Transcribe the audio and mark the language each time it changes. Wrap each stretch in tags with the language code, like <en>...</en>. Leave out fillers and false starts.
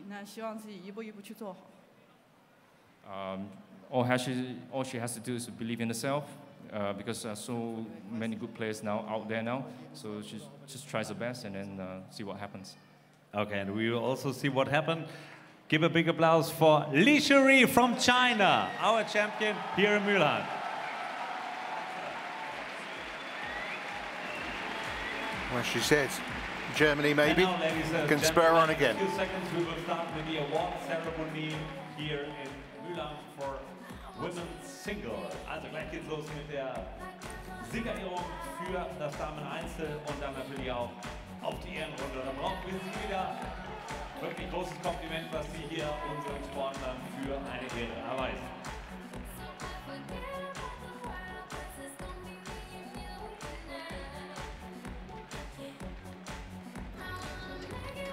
<zh>这些对我都是一个激励吧。我觉得最大对手就是自己，那希望自己一步一步去做好。</zh> <en>All she has to do is believe in herself, because there are so many good players now out there now. So she just tries her best and then see what happens. Okay, and we will also see what happened. Give a big applause for Li Shuwei from China, our champion here in Milan. Well, she says Germany maybe now, can spur on again. In a few seconds, we will start with the award ceremony here in Milan for women's single.</en> <de>Also, gleich geht's los mit der Siegerehrung für das Damen-Einzel und dann natürlich auch auf die Ehrenrunde. Da brauchen wir Sie wieder. Wirklich großes Kompliment, was Sie hier unseren Sportlern für eine Ehre erweisen.</de> <en>Thank you.</en>